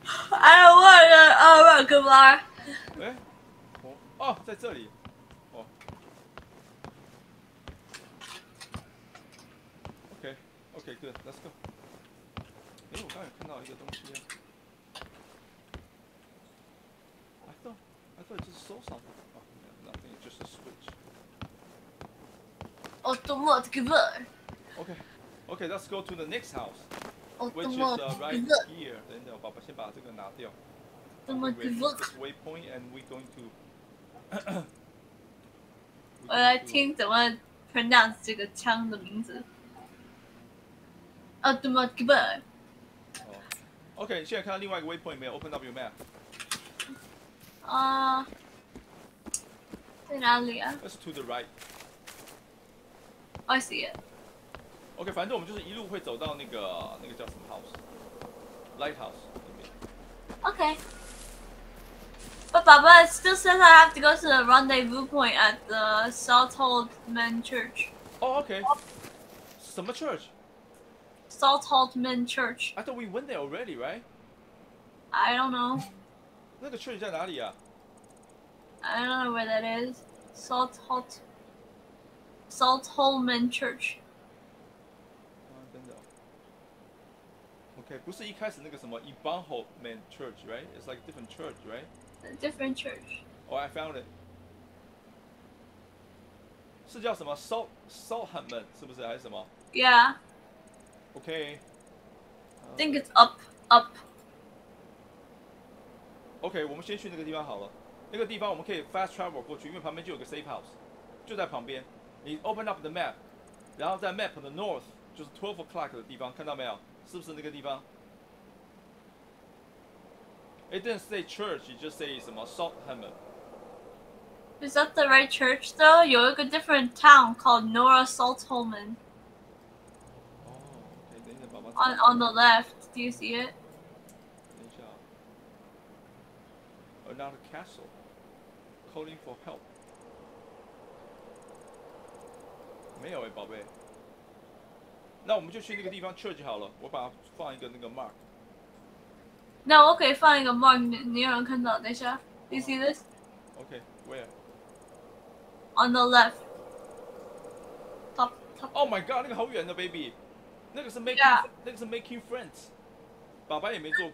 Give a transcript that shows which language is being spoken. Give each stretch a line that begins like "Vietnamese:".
Chinese: 哎，我个，哦，我个妈！哎，哦，哦，在这里，哦。OK，OK，good，let's
English: okay, okay, go。
Chinese: 哎，我刚才看到一个东西。
English: I thought it's so something，nothing, it's just a switch.
Chinese: 哦，多么的个味！OK，OK，let's
English: go to the next house. Which is right here.
Chinese: 等等，爸爸先把这个拿掉。
English: Waypoint, and we're going to.
Chinese: 我来听怎么 pronounce 这个枪的名字。啊，怎么个？哦，OK，现在看到另外一个
English: waypoint
Chinese: 没有
English: open up your map.
Chinese: 啊，在哪里啊
English: ？That's to the right. I see it.
Chinese: OK， 反正我们就是一路会走到那个叫什么 house， lighthouse 里面。 OK。
English: But it still says I have to go to the rendezvous point at the Salthold Men Church. Oh, okay. What church? Salthold Men Church. I thought we went there already, right? I don't know.
Chinese: 那个church在哪里啊?
English: I don't know where that is. Salthold Men Church.
Chinese: 啊，真的。
English: Okay,
Chinese: 不是一开始那个什么
English: Ebonhold Men Church, right? It's like a different church, right? A different church. Oh, I found it.
Chinese: 是叫什么 Salthamen 是不是还是什么？
English: Yeah. Okay. I think it's up.
Chinese: Okay, 我们先去那个地方好了。那个地方我们可以 fast travel 过去，因为旁边就有个 safe house， 就在旁边。你
English: open up the map，
Chinese: 然后在 map 的 north， 就是 12 o'clock 的地方，看到没有？是不是那个地方？
English: It didn't say church, it just says Salthamen. Is that the right church though?
Chinese: 有一个
English: different town called Nora Saltholman. Oh, okay,
Chinese: 等一下,
English: on the left, do you see it?
Chinese: 等一下.
English: Another castle. Calling for help.
Chinese: 没有诶, 宝贝. 那我们就去那个地方 church 好了,我把它放一个那个 mark.
English: Now, okay, find a mark near on Kanda. Do you see this? Okay, where? On the left. Top. Oh my god, that's so far, baby. That's making friends. Baba hasn't done